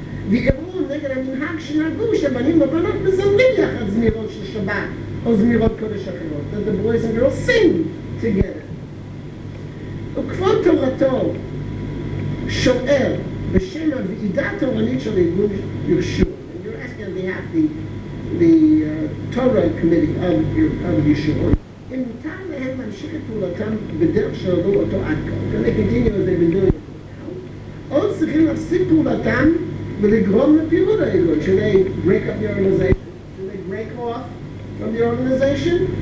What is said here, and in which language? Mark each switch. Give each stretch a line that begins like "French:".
Hebrew: וערעור נגד המנהג של הארגון, שבנים ובנות מזמרים יחד זמירות של שבת, או זמירות קודש אחרות.
English: That the boys and girls sing together.
Hebrew: וכבוד תורתו שואל בשם הוועידה התורנית של ארגון יהושע.
English: You're asking behalf the Torah Committee of יהושע.
Hebrew: אם ניתן להם להמשיך את פעולתם בדרך שעברו אותו עד כה.
English: They continue as they've been doing it now.
Hebrew: או צריכים להפסיק פעולתם ולגרום לפירוד הארגון.
English: Should they break up the organization? Should they break off from the organization?